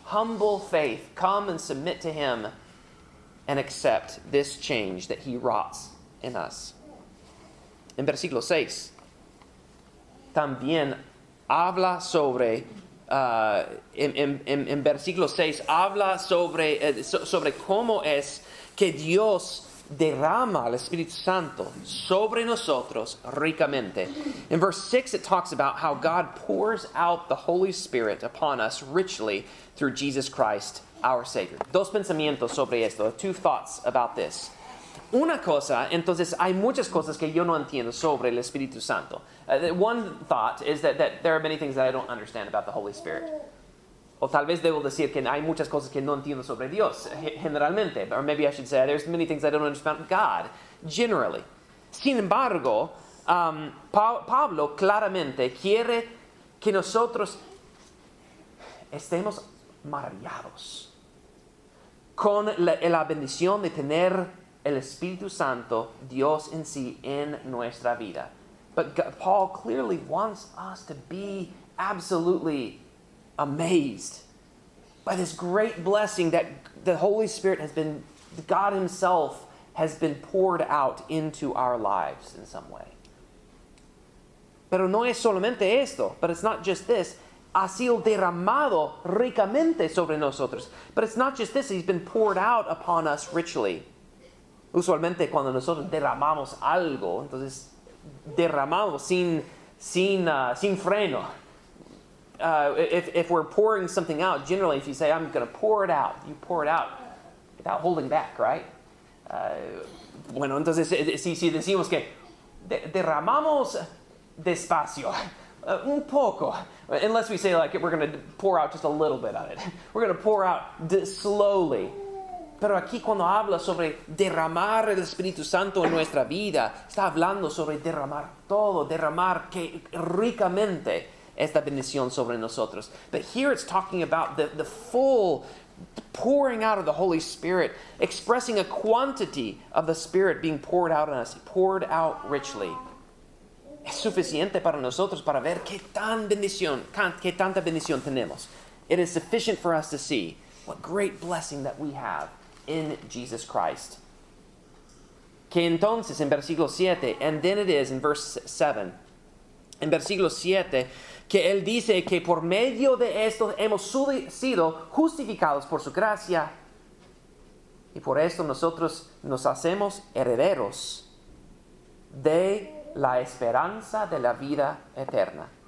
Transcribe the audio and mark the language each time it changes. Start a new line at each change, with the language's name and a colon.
English: humble faith, come and submit to him and accept this change that he wrought in us.
Spanish: En versículo 6, también habla sobre, en versículo 6, habla sobre, sobre cómo es que Dios derrama el Espíritu Santo sobre nosotros ricamente.
English: In verse 6, it talks about how God pours out the Holy Spirit upon us richly through Jesus Christ, our Savior.
Spanish: Dos pensamientos sobre esto,
English: two thoughts about this.
Spanish: Una cosa, entonces, hay muchas cosas que yo no entiendo sobre el Espíritu Santo.
English: One thought is that there are many things that I don't understand about the Holy Spirit.
Spanish: O tal vez debo decir que hay muchas cosas que no entiendo sobre Dios, generalmente.
English: Or maybe I should say, there's many things I don't understand about God, generally.
Spanish: Sin embargo, Pablo claramente quiere que nosotros estemos maravillados con la bendición de tener el Espíritu Santo, Dios en sí, en nuestra vida.
English: But God, Paul clearly wants us to be absolutely amazed by this great blessing that the Holy Spirit has been, God himself has been poured out into our lives in some way.
Spanish: Pero no es solamente esto,
English: but it's not just this.
Spanish: Ha sido derramado ricamente sobre nosotros.
English: But it's not just this, he's been poured out upon us richly.
Spanish: Usualmente cuando nosotros derramamos algo, entonces derramamos sin freno.
English: If we're pouring something out, generally if you say, I'm going to pour it out, you pour it out without holding back, right?
Spanish: Bueno, entonces si decimos que derramamos despacio, un poco.
English: Unless we say like we're going to pour out just a little bit of it. We're going to pour out slowly.
Spanish: Pero aquí cuando habla sobre derramar el Espíritu Santo en nuestra vida, está hablando sobre derramar todo, derramar que ricamente esta bendición sobre nosotros.
English: But here it's talking about the full pouring out of the Holy Spirit, expressing a quantity of the Spirit being poured out on us, poured out richly.
Spanish: Es suficiente para nosotros para ver qué tan bendición, qué tanta bendición tenemos.
English: It is sufficient for us to see what great blessing that we have in Jesus Christ.
Spanish: Que entonces, en versículo 7,
English: and then it is in verse 7,
Spanish: en versículo 7, que él dice que por medio de esto hemos sido justificados por su gracia, y por esto nosotros nos hacemos herederos de la esperanza de la vida eterna.